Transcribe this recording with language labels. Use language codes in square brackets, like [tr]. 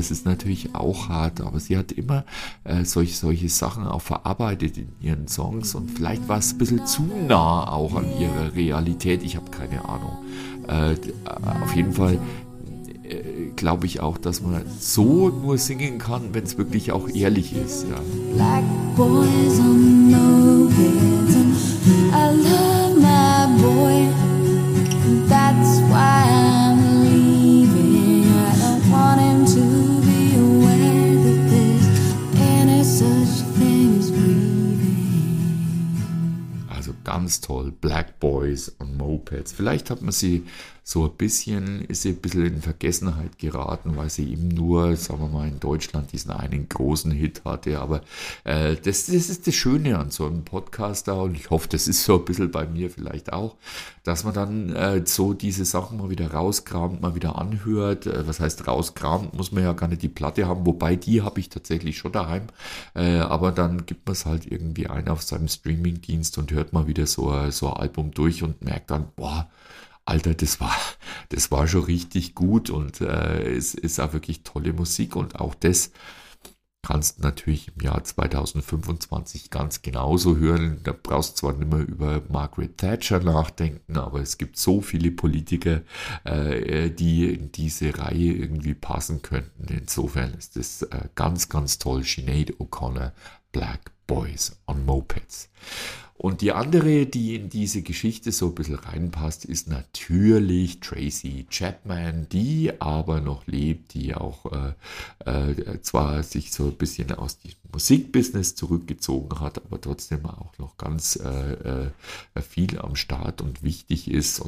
[de] Das ist natürlich auch hart, aber sie hat immer solche Sachen auch verarbeitet in ihren Songs, und vielleicht war es ein bisschen zu nah auch an ihrer Realität, ich habe keine Ahnung. Auf jeden Fall glaube ich auch, dass man so nur singen kann, wenn es wirklich auch ehrlich ist. Ja. [en] Black boys on no reason, I love my boy, that's why I'm leaving. I don't want him to be aware that there's any such thing as grieving. [de] Also ganz toll, Black Boys on Mopeds. Vielleicht hat man sie so ein bisschen, ist sie ein bisschen in Vergessenheit geraten, weil sie eben nur, sagen wir mal, in Deutschland diesen einen großen Hit hatte. Aber das ist das Schöne an so einem Podcaster, und ich hoffe, das ist so ein bisschen bei mir vielleicht auch, dass man dann so diese Sachen mal wieder rauskramt, mal wieder anhört. Was heißt rauskramt? Muss man ja gar nicht die Platte haben, wobei die habe ich tatsächlich schon daheim. Aber dann gibt man es halt irgendwie ein auf seinem Streamingdienst und hört mal wieder so ein Album durch und merkt dann, boah, Alter, das war schon richtig gut und es ist auch wirklich tolle Musik und auch das kannst du natürlich im Jahr 2025 ganz genauso hören. Da brauchst du zwar nicht mehr über Margaret Thatcher nachdenken, aber es gibt so viele Politiker, die in diese Reihe irgendwie passen könnten. Insofern ist das ganz, ganz toll. Sinead O'Connor, Black Boys on Mopeds. Und die andere, die in diese Geschichte so ein bisschen reinpasst, ist natürlich Tracy Chapman, die aber noch lebt, die auch zwar sich so ein bisschen aus dem Musikbusiness zurückgezogen hat, aber trotzdem auch noch ganz viel am Start und wichtig ist.